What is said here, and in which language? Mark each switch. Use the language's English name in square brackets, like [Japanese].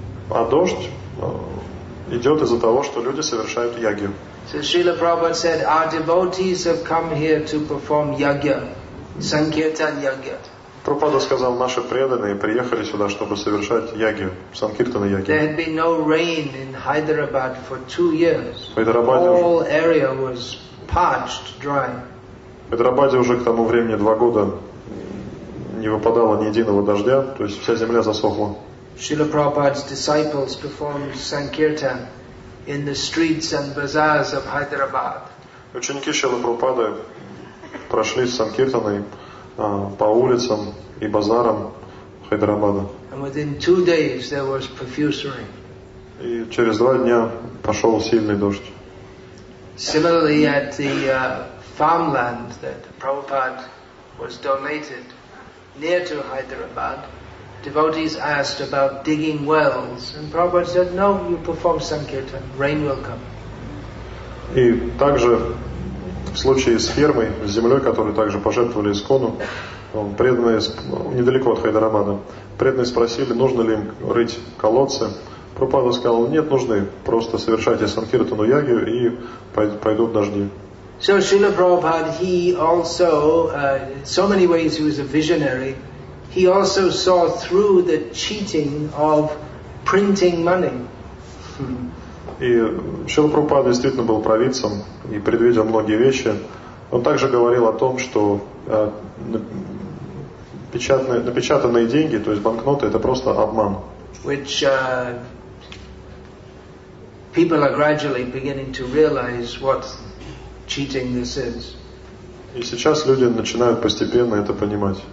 [Russian] А дождь идет из-за того, что люди совершают ягью. [English] So Srila Prabhupada said, "Our devotees have come here to perform yagya, sankirtan yagya." [Russian] Прабхупада сказал, наши преданные приехали сюда, чтобы совершать ягью, санкиртана ягью. [English] There had been no rain in Hyderabad for 2 years. [Russian] В Хайдарабаде уже... [English] All area was parched, dry. [Russian] В Хайдарабаде уже к тому времени 2 года не выпадало ни единого дождя, то есть вся земля засохла. [English] Srila Prabhupada's disciples performed sankirtan in the streets and bazaars of Hyderabad. [Russian] Ученики Шрилы Прабхупады прошли с санкиртаной по улицам и базарам Хайдарабада. [English] And within 2 days there was profuse rain. [Russian] И через 2 дня пошел сильный дождь. [English] Similarly, at the farmland that Prabhupada was donated near to Hyderabad, devotees asked about digging wells, and Prabhupada said, "No, you perform sankirtan, rain will come." [Russian] И также в случае с фермой, с землей, которую также пожертвовали искону, преданные, недалеко от Хайдарабада, преданные спросили, нужно ли им рыть колодцы. Прабхупада сказал, нет, нужны, просто совершайте санкиртану ягью и пойдут дожди. [English] So Srila Prabhupada, he also, so many ways he was a visionary, he also saw through the cheating of printing money. [Russian] И Шрила Прабхупада действительно был провидцем и предвидел многие вещи. Он также говорил о том, что напечатанные деньги, то есть банкноты, это просто обман. [English] Which people are gradually beginning to realize what cheating this is. [Russian] И сейчас люди начинают постепенно это понимать.